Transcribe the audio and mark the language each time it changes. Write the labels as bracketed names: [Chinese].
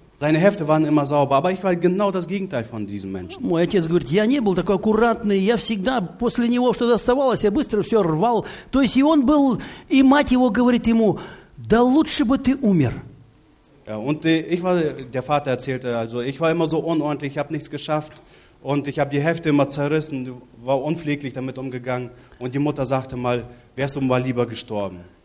[German] Seine Hefte waren immer sauber, aber ich war genau das Gegenteil von diesem Menschen. [Russian] Мой отец говорит, я не был такой аккуратный, я всегда после него что-то оставалось, я быстро все рвал. То есть и он был, и мать его говорит ему, да лучше бы ты умер. [German] Und ich war, der Vater erzählte, also ich war immer so unordentlich, ich habe nichts geschafft und ich habe die Hefte immer zerrissen, war unpfleglich damit umgegangen und die Mutter sagte mal, wärst du mal lieber gestorben.